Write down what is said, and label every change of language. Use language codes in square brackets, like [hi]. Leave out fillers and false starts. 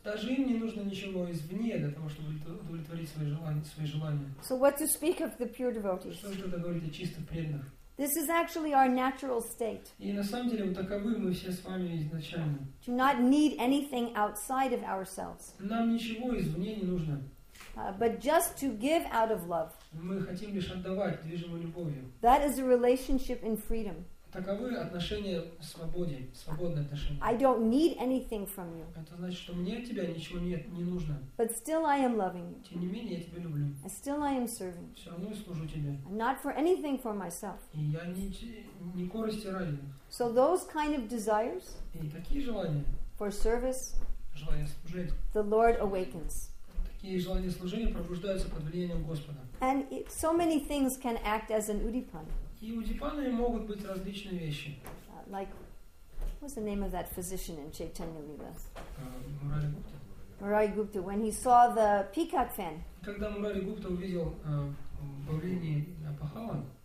[ru] Даже им не нужно ничего извне для того, чтобы удовлетворить свои желания. [en] So what to speak of the pure devotees? [ru] Что же говорить о чистых преданных? [en] This is actually our natural state. [ru] И на самом деле, таковы мы все с вами изначально. [en] To not need anything outside of ourselves. [ru] Нам ничего извне не нужно. [en] But just to give out of love. [ru] Мы хотим лишь отдавать, движимой любовью. [en] That is a relationship in freedom. [ru] Таковы отношения в свободе, свободные отношения. [en] I don't need anything from you. [ru] Это значит, что мне от тебя ничего не нужно. [en] But still I am loving you. [ru] Тем не менее, я тебя люблю. [en] And still I am serving. [ru] Все равно я служу тебе. [en] And not for anything for myself. [ru] И я не корости ради. [en] So those kind of desires. [ru] И такие желания. [en] For service. [ru] Желание служить. [en] The Lord awakens. [ru] Такие желания служения пробуждаются под влиянием Господа. [en] And so many things can act as an udipana. [ru] И у удипаны могут быть различные вещи. [en] Like, what's the name of that physician in Chaitanya Lila? [ru] Мурари Гупта. [en] Мурари Гупта. When he saw the peacock fan. [ru] Когда Мурари Гупта увидел бавлини Апахала.